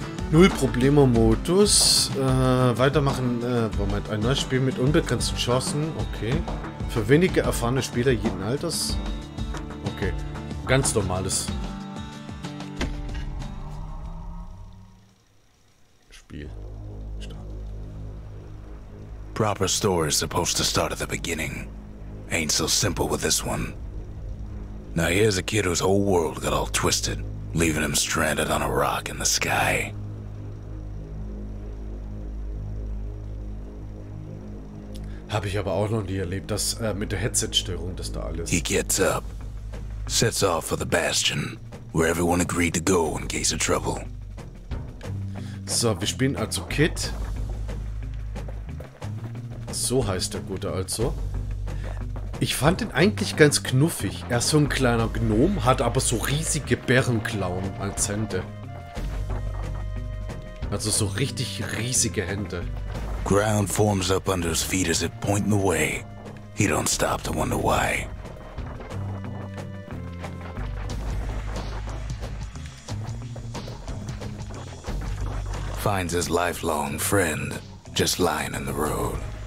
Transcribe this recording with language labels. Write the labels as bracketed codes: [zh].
[de] Null Probleme Modus. Weitermachen. Moment, ein neues Spiel mit unbegrenzten Chancen. Okay. Für wenige erfahrene Spieler jeden Alters. Okay, ganz normales Spiel. [en] Proper story is supposed to start at the beginning. Ain't so simple with this one. Now here's a kid whose whole world got all twisted, leaving him stranded on a rock in the sky. [de] Habe ich aber auch noch nie erlebt, das mit der Headset-Störung, das da alles. [en] He gets up, sets off for the Bastion, where everyone agreed to go in case of trouble. [de] So, wir spielen also Kit. So heißt der Gute also. Ich fand ihn eigentlich ganz knuffig. Er ist so ein kleiner Gnom, hat aber so riesige Bärenklauen als Hände. Also so richtig riesige Hände. [en] Ground forms up under his feet as it point in the way. He don't stop to wonder why. Finds his lifelong friend just lying in the road.